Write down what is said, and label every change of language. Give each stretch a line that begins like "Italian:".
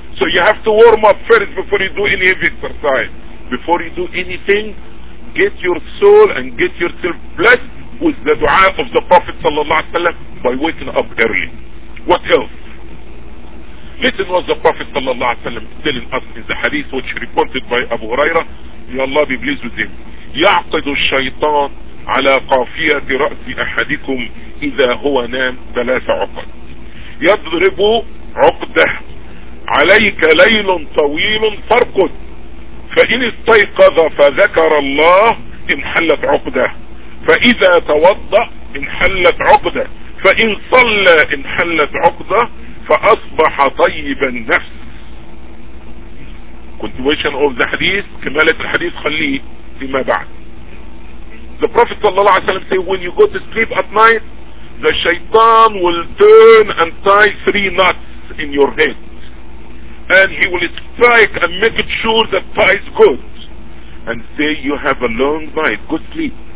English: So you have to warm up first before you do any heavy exercise. Before you do anything, get your soul and get yourself blessed with the dua of the Prophet ﷺ by waking up early. What else? Listen what the Prophet ﷺ telling us in the hadith which reported by Abu Huraira, may Allah be pleased with him.
Arabic: يَعْقَدُ الشَّيْطَانُ عَلَى قَافِيَةِ رَأْسِ أَحَدِكُمْ إِذَا هُوَ نَامْ ثَلَاثَ عُقَدْ يَضْرِبُ عُقْدَهُ عَلَيْكَ لَيْلٌ طَوِيلٌ فَارْقُدْ فَإِنِ اسْتَيْقَظَ فَذَكَرَ اللَّهِ انْحَلَّتْ عُقْدَهُ فَإِذَا تَوَضَّأَ انْحَلَّتْ عُقْدَهُ فَإِنْ صَلَّى انْحَلَّتْ عُقْدَهُ فَأَصْبَحَ طَيِّبَ النَّفْسِ
English: Continuation of the hadith,
Arabic: كمالة الحديث خليه فيما بعد.
English: The Prophet
Arabic: صلى الله عليه وسلم
English: say, when you go to sleep at night, the shaitan will turn and tie three knots in your head, and he will strike and make it sure that tie is good, and say, you have a long night, good sleep.